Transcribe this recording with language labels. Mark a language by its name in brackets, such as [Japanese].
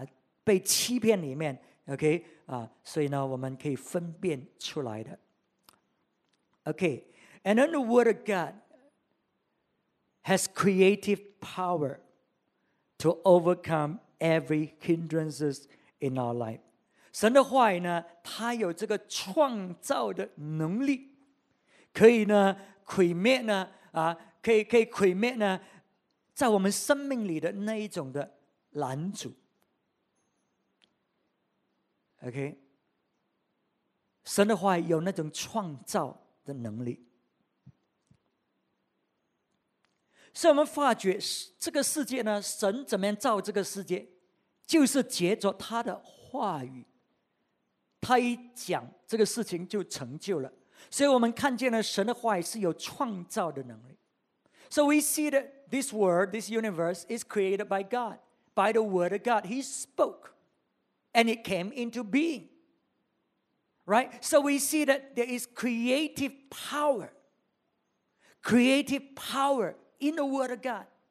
[Chinese] 所以呢，这个神的话语呢，可以帮助我们打这个属灵的征战，使到呢，我们不会掉入那种的被欺骗里面。OK, 所以呢，我们可以分辨出来的。 [English] OK, and then the Word of God has creative power to overcome every hindrances in our life. [Chinese] 神的话语呢，它有这个创造的能力，可以呢毁灭呢，可以毁灭呢，在我们生命里的那一种的拦阻。 OK, 神的话语有那种创造的能力。所以我们发觉这个世界呢，神怎么样造这个世界，就是藉着他的话语，他一讲，这个事情就成就了。所以我们看见了神的话语是有创造的能力。 [English] So we see that this world, this universe is created by God, by the word of God. He spoke. And it came into being, right? So we see that there is creative power in the Word of God.